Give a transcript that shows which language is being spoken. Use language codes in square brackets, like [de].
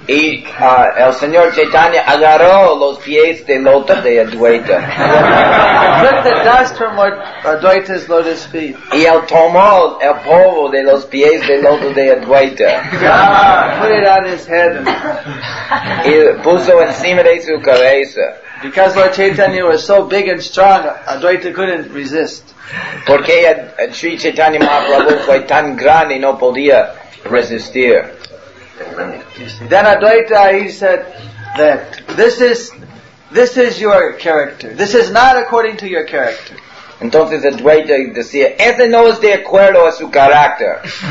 [es] Y el señor Chaitanya agarró los pies de loto de Advaita. [en] Took the dust from Advaita's lotus feet. [es] Y él tomó el polvo de los pies de loto de Advaita. [en] Put it on his head. [es] Y puso encima de su cabeza. [en] Because Lord Chaitanya was so big and strong, Advaita couldn't resist. [es] Porque Sri Chaitanya Mahaprabhu fue tan grande, no podía resistir. [en] Then Advaita, he said that this is your character. This is not according to your character. [es] Entonces Advaita decía, ese no es de acuerdo a su carácter.